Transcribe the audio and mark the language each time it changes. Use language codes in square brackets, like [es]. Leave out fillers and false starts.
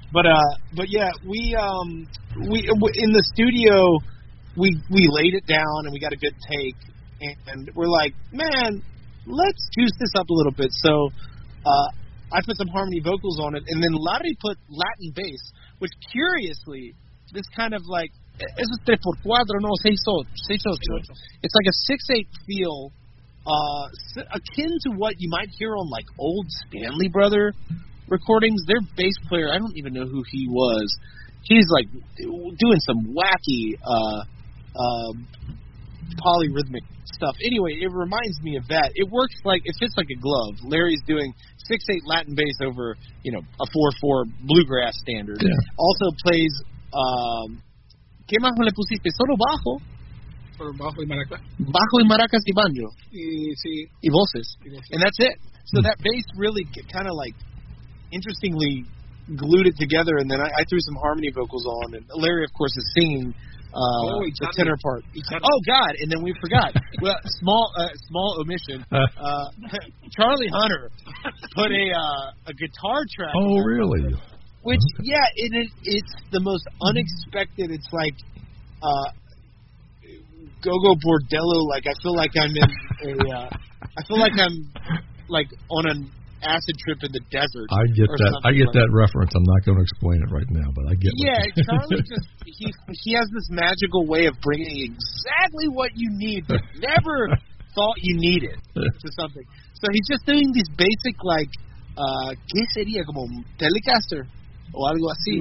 [en] But we in the studio, we laid it down and we got a good take, and we're like, man, let's juice this up a little bit. So I put some harmony vocals on it, and then Larry put Latin bass, which, curiously, this kind of like... [es] Es este por cuatro, no, seis ocho. [en] It's like a 6-8 feel, akin to what you might hear on, like, old Stanley Brother recordings. Their bass player, I don't even know who he was. He's, like, doing some wacky polyrhythmic stuff. Anyway, it reminds me of that. It works like, it fits like a glove. Larry's doing 6-8 Latin bass over, you know, a 4-4 bluegrass standard. Yeah. Also plays [es] ¿Qué más le pusiste? Solo bajo. Por bajo y maracas. Bajo y maracas y banjo. Y voces. [en] And that's it. So that bass really kind of like interestingly glued it together, and then I threw some harmony vocals on, and Larry, of course, is singing the tenor part. Oh, God, and then we forgot. Well, small omission. Charlie Hunter put a guitar track. Oh, really? Which, okay. Yeah, it's the most unexpected. It's like go-go bordello. Like, I feel like I'm in I feel like I'm, like, on an acid trip in the desert. I get that reference. I'm not going to explain it right now, but I get it. Yeah, Charlie he has this magical way of bringing exactly what you need but never thought you needed to something. So he's just doing these basic, like, [es] ¿qué sería? Como Telecaster o algo así.